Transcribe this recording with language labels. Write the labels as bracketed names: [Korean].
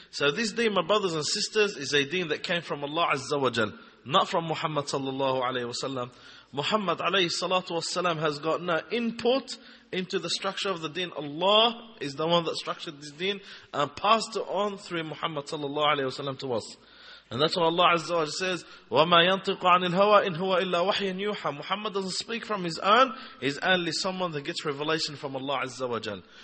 [English] So this deen, my brothers and sisters, is a deen that came from Allah Azza wa Jal, not from Muhammad sallallahu alayhi wasallam. Muhammad alayhi salatu wasallam has got no input into the structure of the deen. Allah is the one that structured this deen and passed it on through Muhammad sallallahu alayhi wa sallam to us. And that's why Allah Azza wa Jalla says, [Arabic] وَمَا يَنْطِقُ عَنِ الْهَوَىٰ إِنْ هُوَ إِلَّا وَحْيٌ يُوحَىٰ. [English] Muhammad doesn't speak from his own, he's only someone that gets revelation from Allah Azza wa Jalla.